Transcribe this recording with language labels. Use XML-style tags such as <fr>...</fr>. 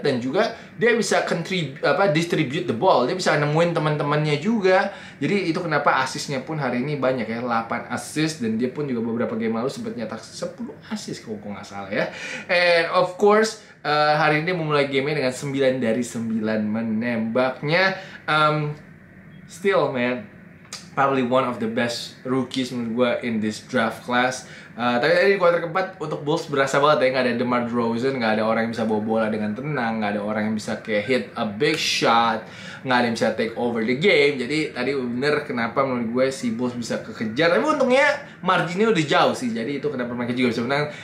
<id>Dan juga dia bisa</id> <en>distribute the ball,</en> <id>dia bisa nemuin teman-temannya juga. Jadi itu kenapa assist-nya pun hari ini banyak ya, 8 assist. Dan dia pun juga beberapa game lalu sempat nyetak 10 assist kalau gue nggak salah ya.</id> <en>And of course</en> <id>hari ini memulai game-nya dengan 9 dari 9 menembaknya.</id> <en>Still man, probably one of the best rookies</en> <id>menurut gue</id> <en>in this draft class.</en> <id>Tapi tadi di quarter keempat untuk Bulls berasa banget ya, gak ada DeMar DeRozan, gak ada orang yang bisa bawa bola dengan tenang, gak ada orang yang bisa kayak</id> <en>hit a big shot,</en> <id>gak ada yang bisa</id> <en>take over the game.</en> <id>Jadi tadi bener kenapa menurut gue si Bulls bisa kekejar. Tapi untungnya marginnya udah jauh sih, jadi itu kenapa mereka juga bisa menang.</id>